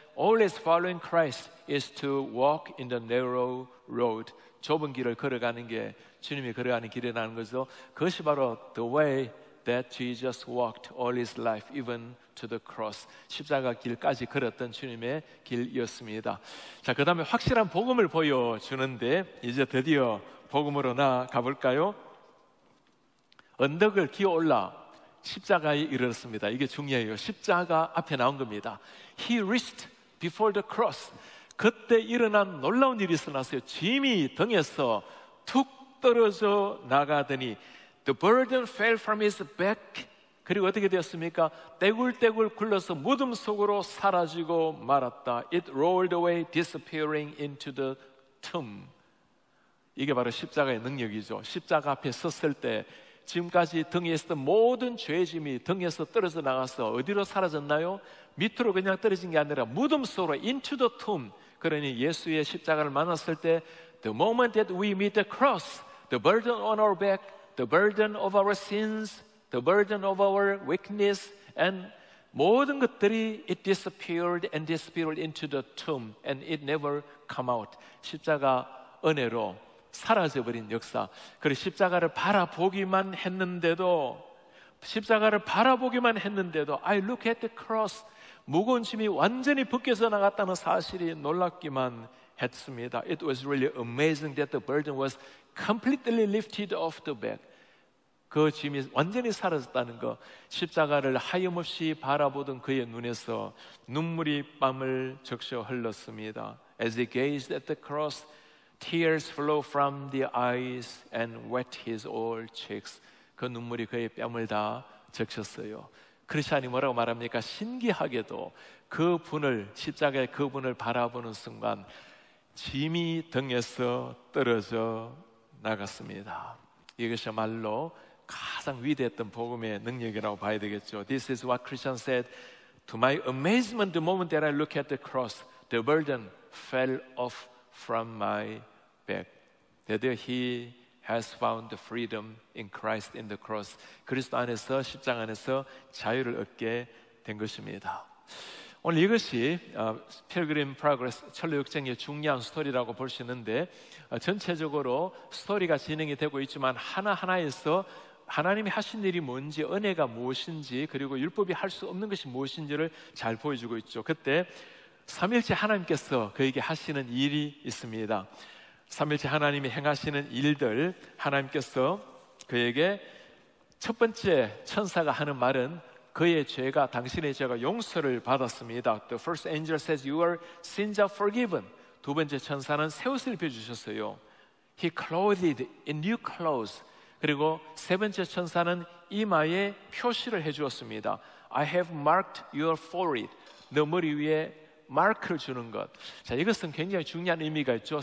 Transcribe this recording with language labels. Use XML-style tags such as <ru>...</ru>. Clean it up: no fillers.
<en>always following Christ is to walk in the narrow road.</en> <ko>좁은 길을 걸어가는 게 주님이 걸어가는 길이라는 거죠. 그것이 바로</ko> <en>the way that Jesus walked all his life, even to the cross.</en> <ko>십자가 길까지 걸었던 주님의 길이었습니다. 자, 그 다음에 확실한 복음을 보여주는데 이제 드디어 복음으로 나가 볼까요? 언덕을 기어올라 십자가에 이르렀습니다. 이게 중요해요. 십자가 앞에 나온 겁니다.</ko> <en>He reached before the cross.</en> <ko>그때 일어난 놀라운 일이 있어났어요. 짐이 등에서 툭 떨어져 나가더니</ko> <en>The burden fell from his back.</en> <ko>그리고 어떻게 되었습니까? 떼굴떼굴 굴러서 무덤 속으로 사라지고 말았다.</ko> <en>It rolled away, disappearing into the tomb.</en> <ko>이게 바로 십자가의 능력이죠. 십자가 앞에 섰을 때 지금까지 등에 있었던 모든 죄짐이 등에서 떨어져 나가서 어디로 사라졌나요? 밑으로 그냥 떨어진 게 아니라 무덤 속으로</ko> <en>into the tomb.</en> <ko>그러니 예수의 십자가를 만났을 때</ko> <en>The moment that we meet the cross, the burden on our back, the burden of our sins, the burden of our weakness, and</en> <ko>모든 것들이</ko> <en>it disappeared and disappeared into the tomb and it never come out.</en> <ko>십자가 은혜로 사라져버린 역사. 그리고 십자가를 바라보기만 했는데도</ko> <en>I look at the cross.</en> <ko>무거운 짐이 완전히 벗겨져 나갔다는 사실이 놀랍기만 했습니다.</ko> <en>It was really amazing that the burden was completely lifted off the back.</en> <ko>그 짐이 완전히 사라졌다는 것. 십자가를 하염없이 바라보던 그의 눈에서 눈물이 밤을 적셔 흘렀습니다.</ko> <en>As he gazed at the cross, tears flow from the eyes and wet his old cheeks.</en> <ko>그 눈물이 그의 뺨을 다 적셨어요. 크리스천이 뭐라고 말합니까? 신기하게도 그 분을, 십자가의 그 분을 바라보는 순간 짐이 등에서 떨어져 나갔습니다. 이것이야말로 가장 위대했던 복음의 능력이라고 봐야 되겠죠.</ko> <en>This is what Christian said. To my amazement, the moment that I look at the cross, the burden fell off from my back. That he has found the freedom in Christ in the cross.</en> <ko>그리스도 안에서, 십자가 안에서 자유를 얻게 된 것입니다. 오늘 이것이 Pilgrim Progress 천로역정의 중요한 스토리라고 볼 수 있는데 전체적으로 스토리가 진행이 되고 있지만 하나하나에서 하나님이 하신 일이 뭔지, 은혜가 무엇인지, 그리고 율법이 할 수 없는 것이 무엇인지를 잘 보여주고 있죠. 그때 삼일째 하나님께서 그에게 하시는 일이 있습니다. 삼일째 하나님이 행하시는 일들, 하나님께서 그에게 첫 번째 천사가 하는 말은 그의 죄가, 당신의 죄가 용서를 받았습니다.</ko> <en>The first angel says, You are sins are forgiven.</en> <ko>두 번째 천사는 새 옷을 입혀주셨어요.</ko> <en>He clothed in new clothes.</en> <ko>그리고 세 번째 천사는 이마에 표시를 해주었습니다.</ko> <en>I have marked your forehead.</en> <ko>너 머리 위에 마크를 주는 것. 자, 이것은 굉장히 중요한 의미가 있죠.</ko>